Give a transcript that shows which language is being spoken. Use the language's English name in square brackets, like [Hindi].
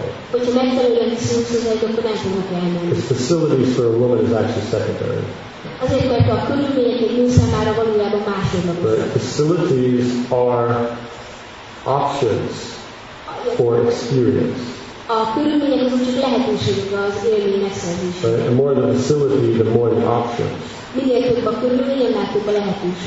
[Hungarian] Hogyha megfelelően viszont szózáig, akkor nem fognak elmenni. [English] The facilities for a woman is actually secondary. [Hungarian] Azért, mert a körülmények egy nő számára valójában másodlagos. [English] The facilities are options for experience. [Hungarian] A körülmények azok csak lehetőségek az élmény megszerzésére. [English] The more the facility, the more the options. [Hungarian] Minél több a körülmény, annál több a lehetőség.